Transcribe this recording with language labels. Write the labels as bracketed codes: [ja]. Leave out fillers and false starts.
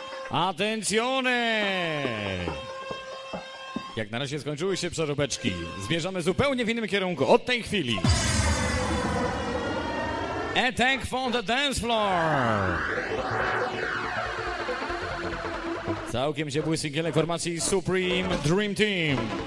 [it] Attenzione! [pl] Jak na razie skończyły się przeróbeczki. Zmierzamy zupełnie w innym kierunku od tej chwili. [en] Attack from the dance floor! [pl] Całkiem ciepły singiel formacji Supreme Dream Team.